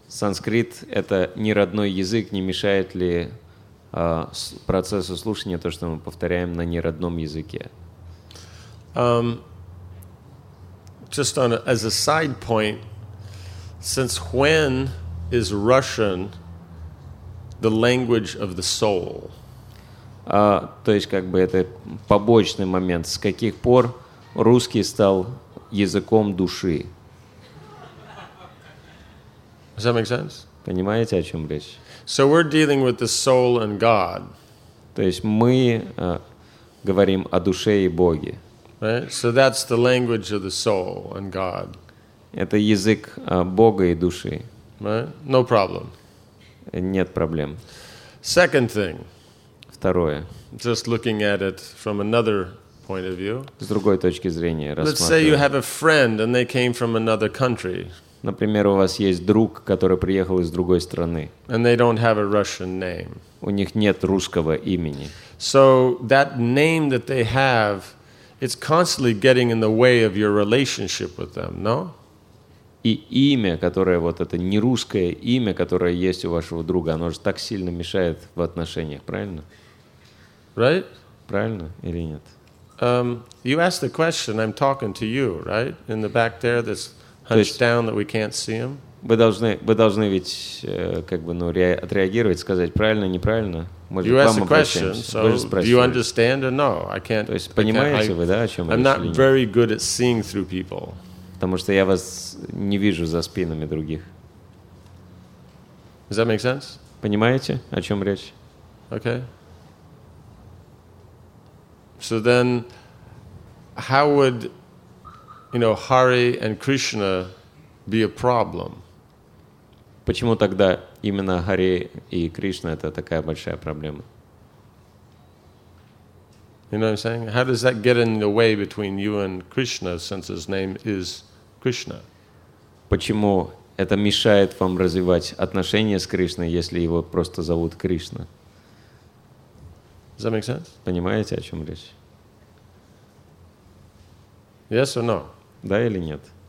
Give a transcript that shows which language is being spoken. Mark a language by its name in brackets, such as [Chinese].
[Russian] Санскрит — это не родной язык, не мешает ли процессу слушания то, что мы повторяем на неродном языке? [English] Just on as a side point, since when is Russian the language of the soul? [Russian] То есть, как бы это побочный момент. С каких пор русский стал языком души? [English] Does that make sense? [Russian] Понимаете, о чем речь? [English] So we're dealing with the soul and God. [Russian] То есть мы говорим о душе и Боге. [English] Right? So that's the language of the soul and God. [Russian] Это язык Бога и души. [English] Right? No problem. [Russian] Нет проблем. [English] Second thing. [Russian] Второе. [English] Just looking at it from another point of view. [Russian] С другой точки зрения рассматриваю. [English] Let's say you have a friend and they came from another country. [Russian] Например, у вас есть друг, который приехал из другой страны. [English] And they don't have a Russian name. [Russian] У них нет русского имени. [English] So that name that they have, it's constantly getting in the way of your relationship with them, no? [Russian] И имя, которое вот это нерусское имя, которое есть у вашего друга, оно же так сильно мешает в отношениях, правильно? [English] Right? [Russian] Правильно или нет? [English] You asked the question, I'm talking to you, right? In the back there, that's hunched down, that we can't see him. [Russian] Вы должны ведь как бы ну отреагировать, сказать правильно, неправильно. Мы же к вам обращаемся. [English] So do you understand or no? I can't. [Russian] То есть понимаете вы, да, о чем [English] I'm not very good at seeing through people. [Russian] Потому что я вас не вижу за спинами других. [English] Does that make sense? [Russian] Понимаете, о чем речь? [English] Okay. So then, how would, you know, Hari and Krishna be a problem? [Russian] Почему тогда именно Хари и Кришна это такая большая проблема? [English] You know what I'm saying? How does that get in the way between you and Krishna, since his name is Krishna? [Russian] Почему это мешает вам развивать отношения с Кришной, если его просто зовут Кришна? [English] Does that make sense? [Russian] Понимаете, о чем речь? [English] Yes or no? [Russian] Да или нет?